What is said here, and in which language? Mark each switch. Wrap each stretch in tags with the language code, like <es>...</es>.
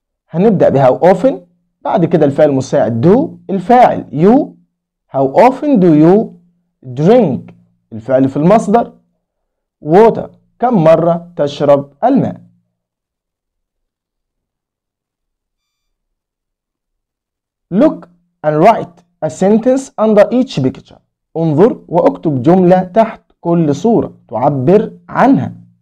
<ar>هنبدأ بهاو often بعد كده الفعل المساعد do الفاعل you.</ar> <en>How often do you drink</en> <ar>الفعل في المصدر water كم مرة تشرب الماء.</ar> <en>Look and write a sentence under each picture.</en> <ar>انظر واكتب جملة تحت كل صورة تعبر عنها.</ar>